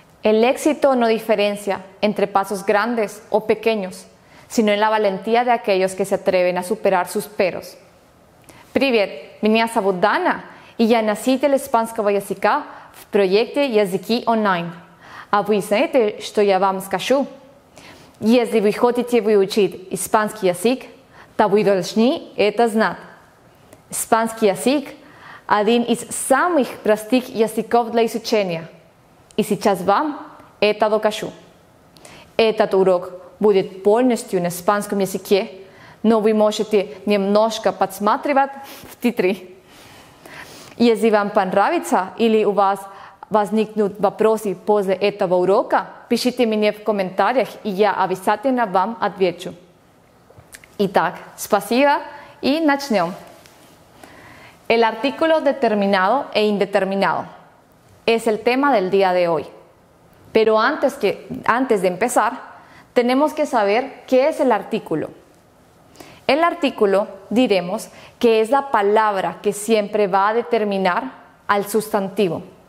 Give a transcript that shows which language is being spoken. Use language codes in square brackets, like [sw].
[es] El éxito no diferencia entre pasos grandes o pequeños, sino en la valentía de aquellos que se atreven a superar sus peros. [ru] Привет, меня зовут Дана, и я носитель испанского языка в проекте «Языки онлайн». А вы знаете, что я вам скажу? Если вы хотите выучить испанский язык, то вы должны это знать. Испанский язык – один из самых простых языков для изучения. И сейчас вам это докажу. Этот урок будет полностью на испанском языке, но вы можете немножко подсматривать в титры. Если вам понравится или у вас возникнут вопросы после этого урока, пишите мне в комментариях, и я обязательно вам отвечу. Итак, спасибо и начнем. [es] El artículo determinado e indeterminado es el tema del día de hoy. Pero antes de empezar, tenemos que saber qué es el artículo. El artículo, diremos, que es la palabra que siempre va a determinar al sustantivo.